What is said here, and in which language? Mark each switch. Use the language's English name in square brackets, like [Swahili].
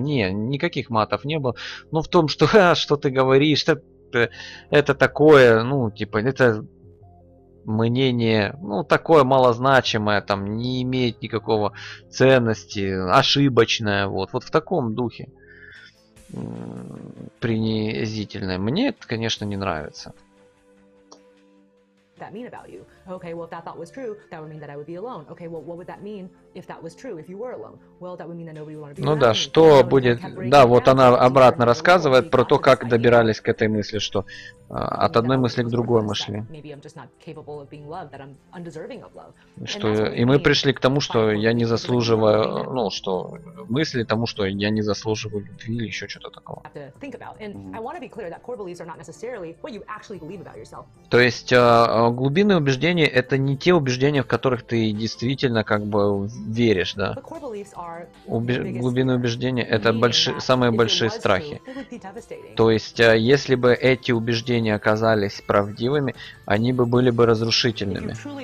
[Russian] Не, никаких матов не было. Но в том, что, что ты говоришь, что это такое, ну, типа, это мнение, ну, такое малозначимое, там, не имеет никакого ценности, ошибочное, вот. Вот в таком духе принизительное. Мне это, конечно, не нравится. [English] That mean about you. Okay, well, if that thought was true, that would mean that I would be alone. Okay, well, what would that mean if that was true, if you were alone? Well, that would mean that nobody would want to be alone. [Russian] Ну да, что будет? Да, вот она обратно рассказывает про то, как добирались к этой мысли, что от одной мысли к другой мы шли. [English] Maybe I'm just not capable of being loved, that I'm undeserving of love. [Russian] Что и мы пришли к тому, что я не заслуживаю, ну что мысли тому, что я не заслуживаю любви или еще что-то такого. [English] Have to think about. And I want to be clear that core beliefs are not necessarily what you actually believe about yourself. [Russian] То есть глубинные убеждения – это не те убеждения, в которых ты действительно как бы веришь, да? Глубинные убеждения – это самые большие страхи. То есть, если бы эти убеждения оказались правдивыми, они бы были бы разрушительными.